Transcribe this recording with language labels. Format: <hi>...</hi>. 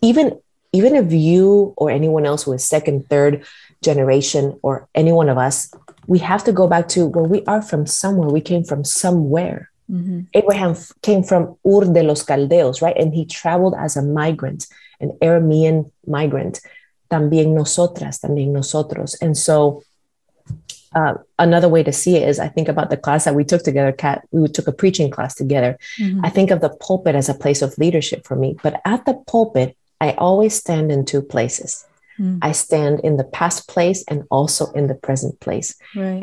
<en>Even if you or anyone else who is second, third generation, or any one of us, we have to go back to where we are from, somewhere. We came from somewhere. Mm-hmm. Abraham came from Ur de los Caldeos, right? And he traveled as a migrant, an Aramean migrant.</en> <es>También nosotras, también nosotros.</es> <en>And so another way to see it is, I think about the class that we took together, Kat, we took a preaching class together. Mm-hmm. I think of the pulpit as a place of leadership for me. But at the pulpit, I always stand in two places. Mm-hmm. I stand in the past place and also in the present place. Right.</en>